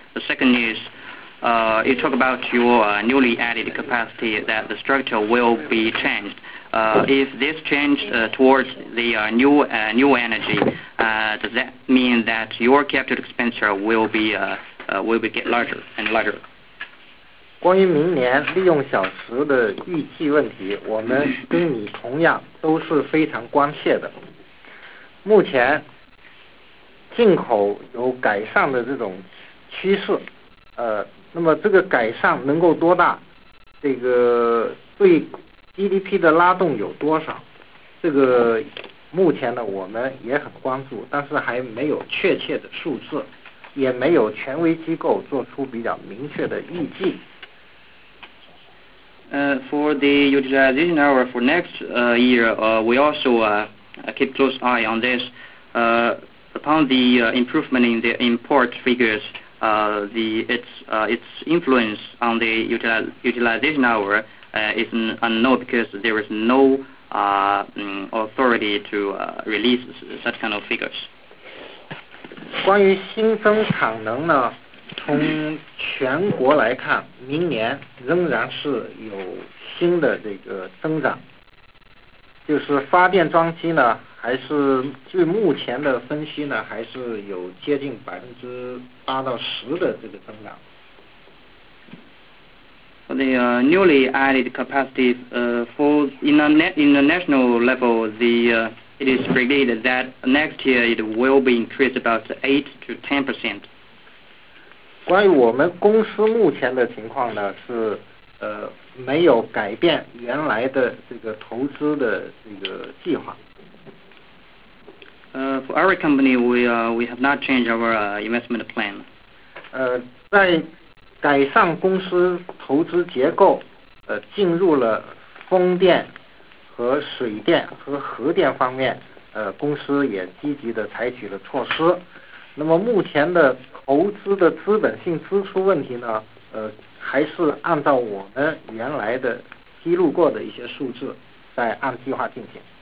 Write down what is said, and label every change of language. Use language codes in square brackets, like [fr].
[en] The second is, you talk about your newly added capacity that the structure will be changed. If this change towards the new energy, does that mean that your capital expenditure will be get larger and larger? [zh] 关于明年利用小时的预计问题，我们跟你同样都是非常关切的。目前进口有改善的这种趋势，那么这个改善能够多大？这个对GDP 的拉动有多少，这个目前呢我们也很关注，但是还没有确切的数字，也没有权威机构做出比较明确的预计。 [en] For the utilization hour for next year, we also keep close eye on this. Upon the improvement in the import figures, its influence on the utilization hour is unknown, because there is no authority to release such kind of figures. [zh] 关于新增产能呢，从全国来看，明年仍然是有新的这个增长。就是发电装机呢，还是据目前的分析呢，还是有接近8%-10%的这个增长。 [en] The newly added capacity for international level, it is predicted that next year it will be increased about 8%-10%. [zh] 关于我们公司目前的情况呢，是没有改变原来的这个投资的这个计划。 [en] For our company, we have not changed our investment plan. [zh] 在改善公司投资结构，进入了风电和水电和核电方面，公司也积极的采取了措施。那么目前的投资的资本性支出问题呢，还是按照我们原来的披露过的一些数字，在按计划进行。